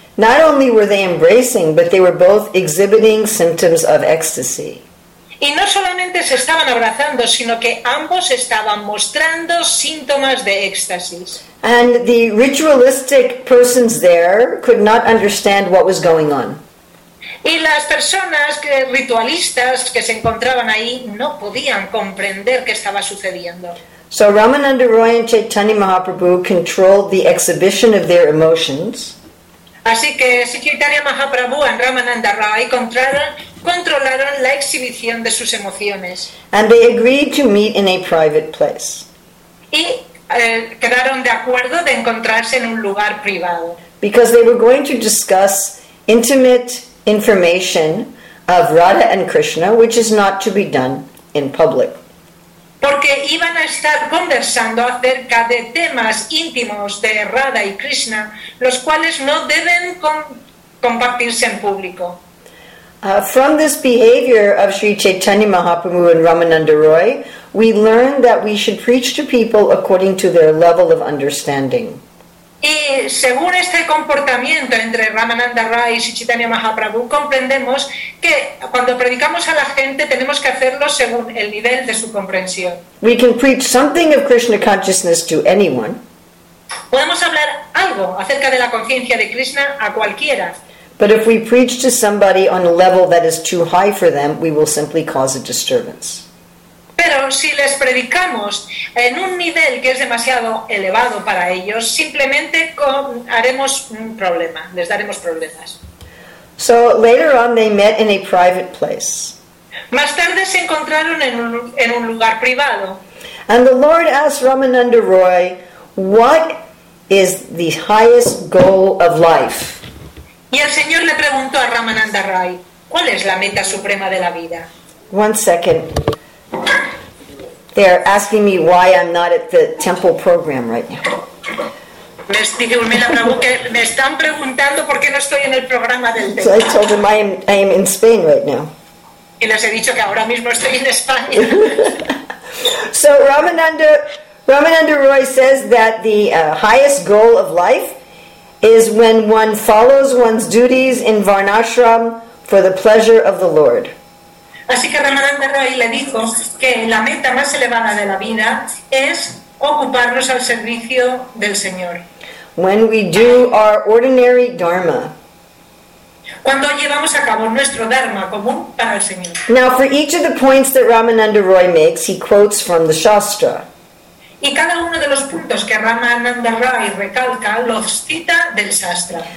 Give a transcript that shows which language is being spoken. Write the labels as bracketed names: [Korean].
[English] Not only were they embracing, but they were both exhibiting symptoms of ecstasy. [Spanish] Y no solamente se estaban abrazando, sino que ambos estaban mostrando síntomas de éxtasis. [English] And the ritualistic persons there could not understand what was going on. [Spanish] Y las personas ritualistas que se encontraban ahí no podían comprender qué estaba sucediendo. [English] So Ramananda Roy and Chaitanya Mahaprabhu controlled the exhibition of their emotions. [Spanish] Así que Sri Chaitanya Mahaprabhu y Ramananda Roy controlaron la exhibición de sus emociones. [English] And they agreed to meet in a private place. [Spanish] Y quedaron de acuerdo de encontrarse en un lugar privado. [English] Because they were going to discuss intimate information of Radha and Krishna, which is not to be done in public. [Spanish] Porque iban a estar conversando acerca de temas íntimos de Radha y Krishna, los cuales no deben compartirse en público. [English] From this behavior of Sri Chaitanya Mahaprabhu and Ramananda Roy, we learn that we should preach to people according to their level of understanding. [Spanish] Y según este comportamiento entre Ramananda Roy y Chaitanya Mahaprabhu, comprendemos que cuando predicamos a la gente tenemos que hacerlo según el nivel de su comprensión. [English] We can preach something of Krishna consciousness to anyone. [Spanish] Podemos hablar algo acerca de la conciencia de Krishna a cualquiera. [English] But if we preach to somebody on a level that is too high for them, we will simply cause a disturbance. [Spanish] Pero si les predicamos en un nivel que es demasiado elevado para ellos, simplemente haremos un problema, les daremos problemas. [English] So later on they met in a private place. [Spanish] Más tarde se encontraron en un lugar privado. [English] And the Lord asked Ramananda Roy, "What is the highest goal of life?" [Spanish] Y el Señor le preguntó a Ramananda Roy, "¿Cuál es la meta suprema de la vida?" [English] One second. They're asking me why I'm not at the temple program right now. [Spanish] Me están preguntando por qué no estoy en el programa del templo. [English] So I told them I am in Spain right now. [Spanish] Y les he dicho que ahora mismo estoy en España. [English] So Ramananda Roy says that the highest goal of life is when one follows one's duties in Varnashram for the pleasure of the Lord. [Spanish] Así que Ramananda Roy le dijo que la meta más elevada de la vida es ocuparnos al servicio del Señor. [English] When we do our ordinary dharma. [Spanish] Cuando llevamos a cabo nuestro dharma común para el Señor. [English] Now for each of the points that Ramananda Roy makes, he quotes from the Shastra. [Spanish] y cada uno de los puntos que Ramananda Rai recalca los cita del Shastra.